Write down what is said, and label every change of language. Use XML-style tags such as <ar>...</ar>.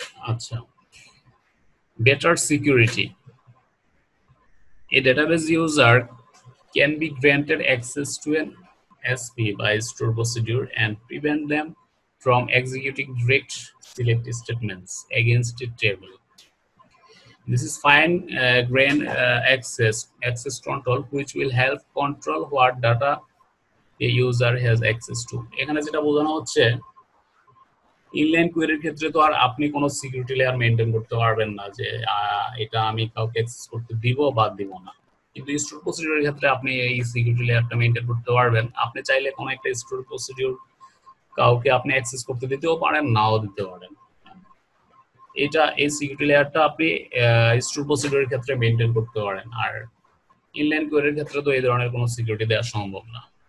<en>আচ্ছা, better security, a database user can be granted access to an SP by store procedure and prevent them from executing direct select statements against a table. This is fine grained access control which will help control what data a user has access to.</en> <bn>এখানে যেটা বোঝানো হচ্ছে, inline query এর ক্ষেত্রে তো আর আপনি কোনো security layer maintain করতে পারবেন না যে এটা আমি কাউকে access করতে দিব বা দিব না, কিন্তু stored procedure এর ক্ষেত্রে আপনি এই security layerটা maintain করতে পারবেন। আপনি চাইলে কোনো একটা stored procedure কাউকে আপনি অ্যাক্সেস করতে দিতেও পারেন, নাও দিতে পারেন, এটা এই সিকিউরিটি লেয়ারটা আপনি স্টোর প্রসিডিউরের ক্ষেত্রে মেইনটেইন করতে পারেন, আর ইনলাইন কোয়েরির ক্ষেত্রে তো এই ধরনের কোনো সিকিউরিটি দেওয়া সম্ভব না।</bn>